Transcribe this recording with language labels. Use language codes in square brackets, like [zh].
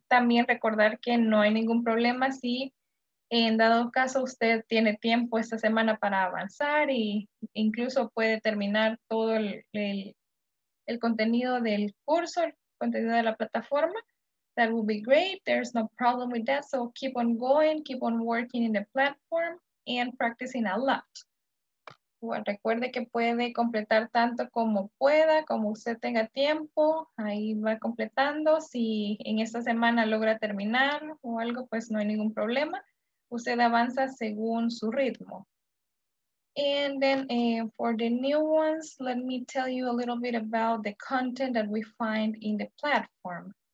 [es] También recordar que no hay ningún problema si en dado caso usted tiene tiempo esta semana para avanzar e incluso puede terminar todo el contenido del curso, el contenido de la plataforma. [en] That will be great. There's no problem with that. So keep on going, keep on working in the platform and practicing a lot. [es] Bueno, recuerde que puede completar tanto como pueda, como usted tenga tiempo. Ahí va completando. Si en esta semana logra terminar o algo, pues no hay ningún problema. Usted avanza según su ritmo. [en] And then for the new ones, let me tell you a little bit about the content that we find in the platform.